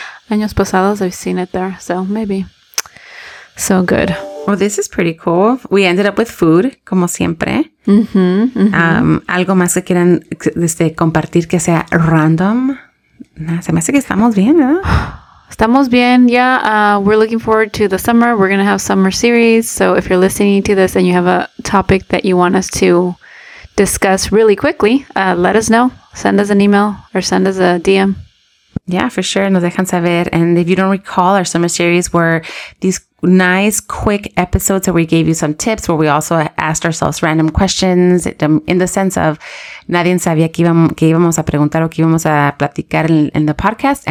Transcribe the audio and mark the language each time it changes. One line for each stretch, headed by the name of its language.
Spanish: Años pasados,
English: I've seen it there, so maybe. So good. Well, this is pretty cool. We ended up with food,
Spanish: como siempre. Algo más que quieran compartir que sea random. Nah, se me hace que estamos bien, ¿no? Estamos bien,
English: yeah. We're looking forward to the summer. We're going to have summer series. So if you're listening to this and you have a topic that you want us to discuss really quickly, let us know. Send us an email or send us a DM. Yeah, for sure.
Spanish: Nos dejan saber.
English: And if you don't recall, our summer series were these nice, quick episodes where we gave you some tips, where we also asked ourselves random questions in the sense of
Spanish: nadie sabía que íbamos a preguntar o que íbamos a platicar
English: in the podcast.